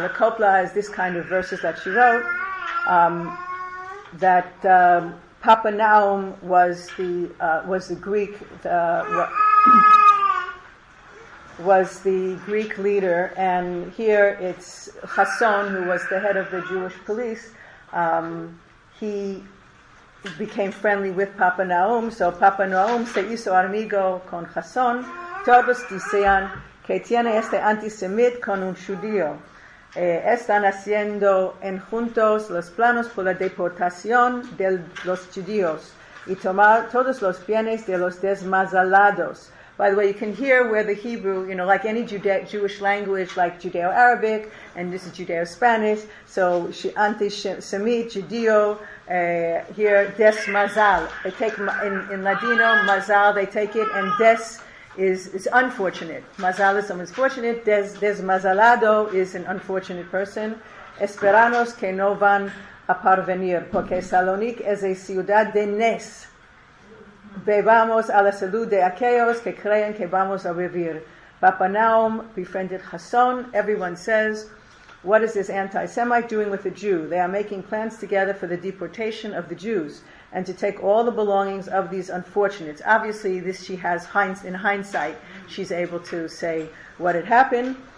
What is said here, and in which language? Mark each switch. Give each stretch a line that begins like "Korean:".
English: The copla is this kind of verses that she wrote. Papa Naum was the Greek leader, and here it's Chasson, who was the head of the Jewish police. He became friendly with Papa Naum.
Ladino: So Papa Naum se hizo amigo con Chasson. Todos dicen que tiene este antisemit con un judío. Están haciendo en juntos los planos por la deportación de los judíos y tomar todos los bienes de los desmazalados.
English: By the way, you can hear where the Hebrew, you know, like any Jewish language, like Judeo-Arabic, and this is Judeo-Spanish, so antisemit, judío, here, desmazal. They take, in Ladino, mazal, they take it, and des is unfortunate. Mazal is someone's fortunate. Desmazalado is an unfortunate person.
Ladino: Esperanos que no van a parvenir, porque Salónica es a ciudad de Nes. Bebamos a la salud de aquellos que creen que vamos a vivir.
English: Papa Naum befriended Chasson. Everyone says, what is this anti-Semite doing with a Jew? They are making plans together for the deportation of the Jews and to take all the belongings of these unfortunates. Obviously, this she has in hindsight. She's able to say what had happened.